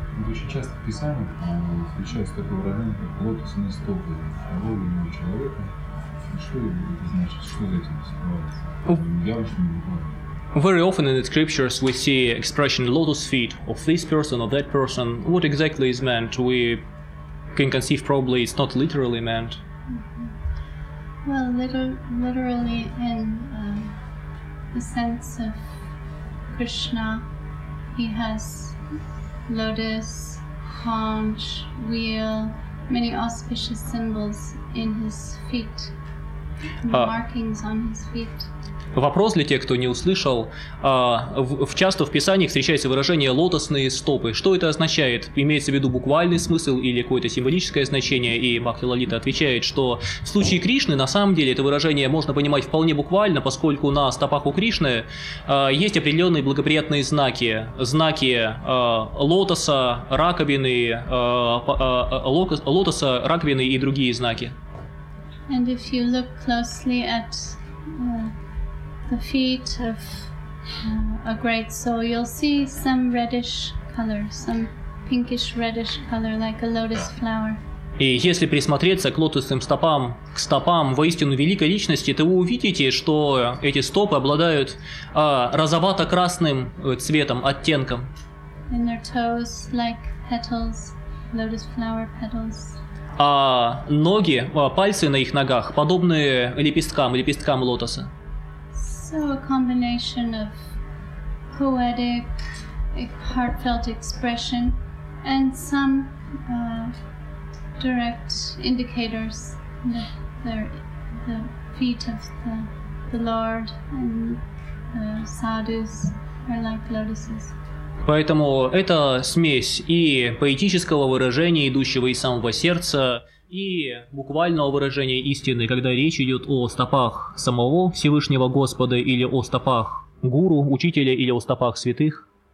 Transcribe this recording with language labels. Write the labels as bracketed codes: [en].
[ru] Очень часто в Писании встречается такой уравнение, как лотосный столб, воля иного человека. Что это значит? Что за этим скрывается? Явочный буквально. [en] Very often in the scriptures we see expression lotus feet of this person or that person. What exactly is meant? We can conceive probably it's not literally meant. Mm-hmm. Well, literally in the sense of Krishna, he has lotus, conch, wheel, many auspicious symbols in his feet, markings on his feet. [ru] Вопрос для тех, кто не услышал. Часто в Писании встречается выражение «лотосные стопы». Что это означает? Имеется в виду буквальный смысл или какое-то символическое значение? И Бхакти Лалита отвечает, что в случае Кришны на самом деле это выражение можно понимать вполне буквально, поскольку на стопах у Кришны есть определенные благоприятные знаки. Знаки лотоса, раковины, лотоса, раковины и другие знаки. [en] And if you look closely at the feet of a great soul, you'll see some reddish color, some pinkish reddish color, like a lotus flower. [ru] И если присмотреться к лотосным стопам, к стопам воистину великой личности, то вы увидите, что эти стопы обладают розовато-красным цветом, оттенком. [en] And their toes like petals, lotus flower petals. [ru] А ноги, пальцы на их ногах подобны лепесткам, лепесткам лотоса. [en] So a combination of poetic, heartfelt expression and some direct indicators that they're the feet of the Lord and the sadhus are like lotuses. [ru] Поэтому это смесь и поэтического выражения, идущего из самого сердца, и буквального выражения истины, когда речь идет о стопах самого Всевышнего Господа или о стопах гуру, учителя или о стопах святых.